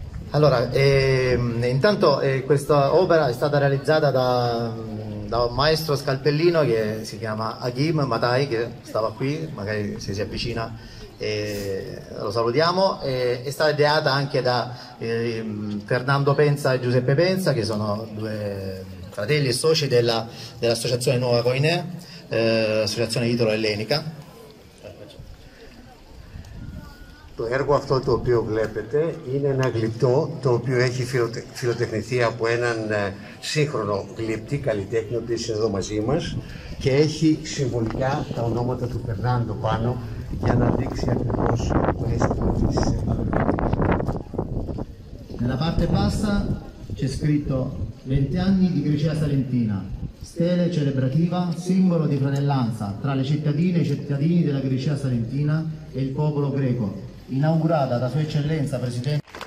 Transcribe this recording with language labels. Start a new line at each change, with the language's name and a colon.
Italian: Allora, intanto questa opera è stata realizzata da un maestro scalpellino che si chiama Aghim Matai, che stava qui, magari se si avvicina lo salutiamo. È stata ideata anche da Fernando Pensa e Giuseppe Pensa, che sono due fratelli e soci dell'associazione Nuova Coinè, associazione italo-ellenica.
Greek: Το έργο αυτό το οποίο βλέπετε είναι ένα γλυπτό το οποίο έχει φιλοτεχνηθεί από έναν σύγχρονο γλυπτή καλλιτέχνη που είναι εδώ μαζί μας και έχει συμβολικά τα ονόματα του Φερνάντο πάνω για να δείξει ακριβώς το αίσθημα της
Italian: Nella parte bassa c'è scritto 20 anni di Grecia Salentina, stele celebrativa, simbolo di fratellanza tra le cittadine e i cittadini della Grecia Salentina e il popolo greco. Inaugurata da Sua Eccellenza Presidente